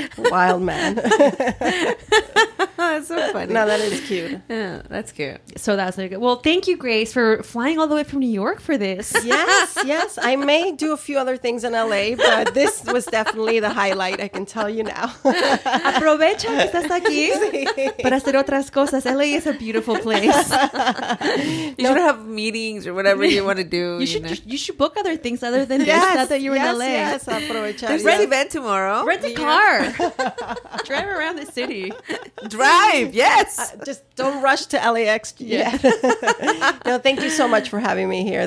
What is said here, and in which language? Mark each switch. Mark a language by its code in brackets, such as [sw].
[en] Wild man. That's so funny. No, that is cute. Yeah, that's cute. So that's really good. Well, thank you, Grace, for flying all the way from New York for this. Yes. I may do a few other things in LA, but this was definitely the highlight, I can tell you now. [es] Aprovecha que estás aquí para hacer otras cosas. [en] LA is a beautiful place. You should have meetings or whatever you want to do. You should book other things other than this now that you're in LA. Yes, aprovecha. There's an event tomorrow. Rent a car. Drive around the city. Drive, yes. Just don't rush to LAX yet. No, thank you so much for having me here.